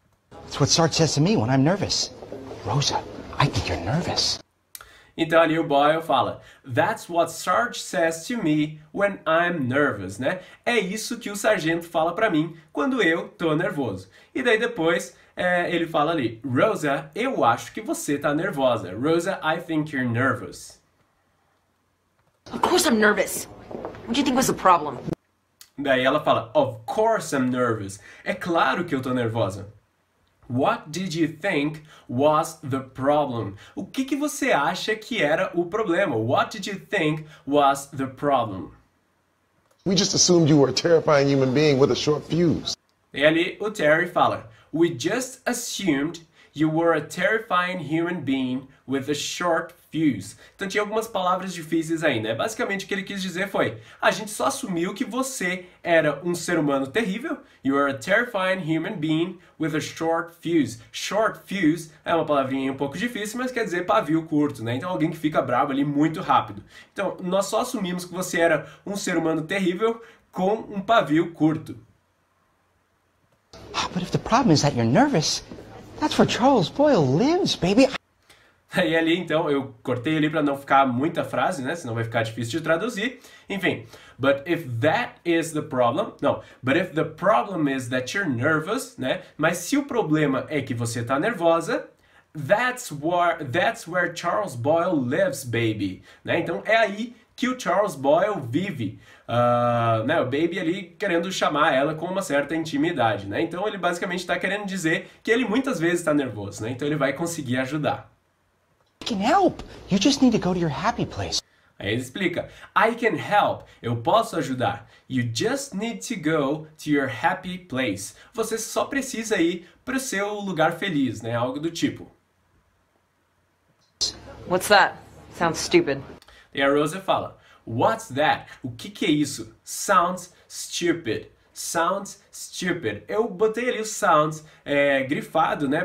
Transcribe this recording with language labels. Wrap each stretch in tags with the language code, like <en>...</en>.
<en>That's what Sarge says to me when I'm nervous. Rosa, I think you're nervous.</en> <pt>Então ali o Boyle fala,</pt> <en>that's what Sarge says to me when I'm nervous, né?</en> <pt>É isso que o sargento fala pra mim quando eu tô nervoso. E daí depois ele fala ali, Rosa, eu acho que você tá nervosa.</pt> <en>Rosa, I think you're nervous. Of course I'm nervous. What do you think was the problem?</en> <pt>Daí ela fala,</pt> <en>of course I'm nervous.</en> <pt>É claro que eu tô nervosa.</pt> <en>What did you think was the problem?</en> <pt>O que, que você acha que era o problema?</pt> <en>What did you think was the problem? We just assumed you were a terrifying human being with a short fuse.</en> <pt>E ali o Terry fala,</pt> <en>We just assumed you were a terrifying human being with a short fuse.</en> <pt>Então tinha algumas palavras difíceis aí, né? Basicamente o que ele quis dizer foi: a gente só assumiu que você era um ser humano terrível.</pt> <en>You are a terrifying human being with a short fuse.</en> <pt>Short fuse é uma palavrinha um pouco difícil, mas quer dizer pavio curto, né? Então alguém que fica bravo ali muito rápido. Então nós só assumimos que você era um ser humano terrível com um pavio curto.</pt> <en>But if the problem is that you're nervous, that's where Charles Boyle lives, baby.</en> <pt>Aí ali, então, eu cortei ali para não ficar muita frase, né? Senão vai ficar difícil de traduzir.</pt> <en>Enfim, but if that is the problem, não, but if the problem is that you're nervous, né?</en> <pt>Mas se o problema é que você tá nervosa,</pt> <en>that's where Charles Boyle lives, baby.</en> <pt>Né? Então é aí que o Charles Boyle vive. Né, o baby ali querendo chamar ela com uma certa intimidade, né? Então ele basicamente tá querendo dizer que ele muitas vezes tá nervoso, né? Então ele vai conseguir ajudar.</pt> <en>I can help. You just need to go to your happy place.</en> <pt>Aí ele explica:</pt> <en>I can help.</en> <pt>Eu posso ajudar.</pt> <en>You just need to go to your happy place.</en> <pt>Você só precisa ir pro seu lugar feliz, né? Algo do tipo.</pt> <en>What's that? Sounds stupid.</en> <pt>E a Rosa fala:</pt> <en>What's that?</en> <pt>O que que é isso?</pt> <en>Sounds stupid. Sounds stupid.</en> <pt>Eu botei ali o sounds grifado, né?</pt>